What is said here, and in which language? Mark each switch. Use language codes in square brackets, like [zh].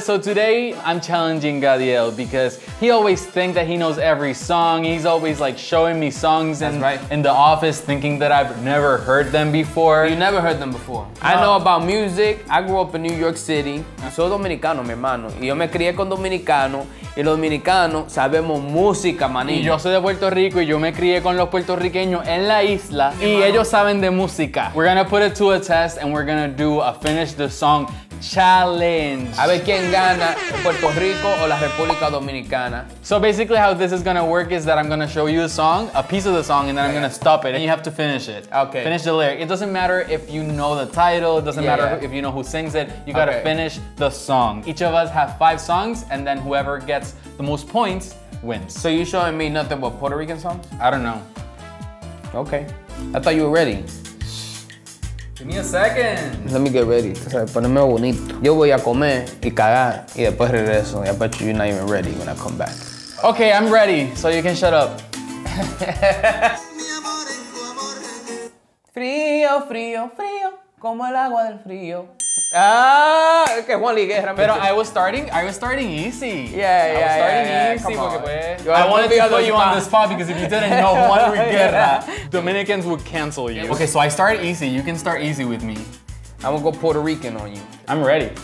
[en] So today I'm challenging Gadiel because he always thinks that he knows every song. He's always like showing me songs in the office, thinking that I've never heard them before. You never heard them before. No. I know about music. I grew up in New York City. [es] Soy dominicano, mi hermano. Y yo me crié con dominicano. Y los dominicanos sabemos música, manito. Y yo soy de Puerto Rico y yo me crié con los puertorriqueños en la isla. Y ellos saben de música. [en] We're gonna put it to a test and we're gonna do a finish the song challenge. [es] A ver quién gana, Puerto Rico o la República Dominicana. [en] So basically how this is gonna work is that I'm gonna show you a song, a piece of the song, and then I'm gonna stop it and you have to finish it. Okay. Finish the lyric. It doesn't matter if you know the title, it doesn't matter if you know who sings it, you gotta finish the song. Each of us have 5 songs and then whoever gets the most points wins. So you showing me nothing but Puerto Rican songs? I don't know. Okay. I thought you were ready. Give me a second. Let me get ready. [es] O sea, poneme bonito. Yo voy a comer y cagar y después regreso. [en] I bet you're not even ready when I come back. Okay, I'm ready, so you can shut up. [es] Frío, frío, frío, como el agua del frío. Ah, que Juan Liguerra. Pero [en] I was starting easy. Yeah, I was starting easy. I wanted to put you on the spot because if you didn't know Juan Liguerra, Dominicans would cancel you. Okay, so I start easy. You can start easy with me. I'm gonna go Puerto Rican on you. I'm ready.